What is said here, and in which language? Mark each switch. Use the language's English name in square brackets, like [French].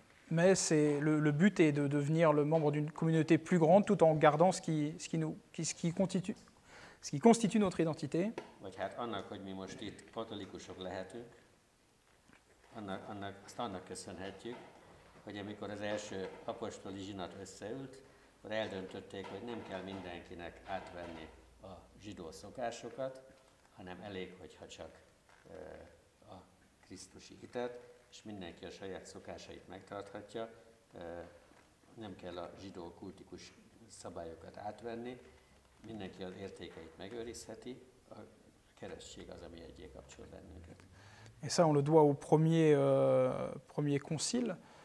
[French] Mais c'est le but est de devenir le membre d'une communauté plus grande tout en gardant ce qui constitue notre identité. [Hungarian] Vagy hát annak, hogy mi most itt katolikusok lehetünk, annak köszönhetjük, hogy amikor az első apostoli zsinat összeült, akkor eldöntötték, hogy nem kell mindenkinek átvenni a zsidó szokásokat, hanem elég, hogyha csak a krisztusi hitet, és mindenki a saját szokásait megtarthatja, nem kell a zsidó kultikus szabályokat átvenni, mindenki az értékeit megőrizheti, a keresztség az, ami egyé kapcsol bennünket. [French] Et ça, on le doit au premier concile,